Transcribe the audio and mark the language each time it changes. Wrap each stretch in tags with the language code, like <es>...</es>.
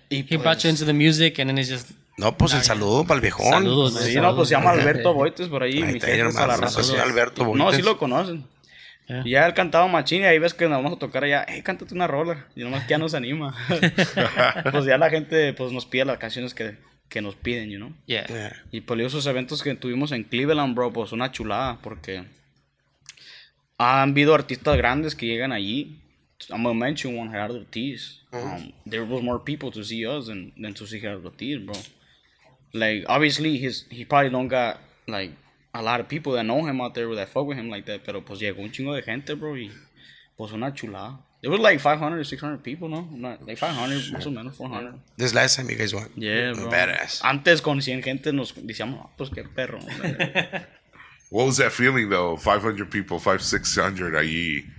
<en>He brought you into the music, and then it's just...</en> <es>No, pues el saludo para el viejón. Saludos, sí, no, pues se llama Alberto Boites por ahí, mi gente, para la raza. Alberto Boites. No, sí lo conocen. Yeah. Ya él cantaba machín y ahí ves que nos vamos a tocar allá, cántate una rola, y nomás que ya nos anima. Pues ya la gente pues nos pide las canciones que nos piden,</es> <en>you know. Yeah.</en> <es>Y por esos eventos que tuvimos en Cleveland, bro, pues una chulada, porque han habido artistas grandes que llegan allí.</es> <en>I'm gonna mention one, Gerardo Ortiz. There was more people to see us than to see Gerardo Ortiz, bro. Like, obviously he probably don't got like a lot of people that know him out there that fuck with him like that.</en> <es>Pero pues llegó un chingo de gente, bro. Y pues una chulada.</es> <en>It was like 500 or 600 people, no? Like 500,</en> <es>más o menos</es> <en>400. This last time you guys went. Yeah, bro. Badass.</en> <es>Antes con 100 gente nos decíamos, pues qué perro.</es> <en>What was that feeling though? 500 people, 600 allí.</en>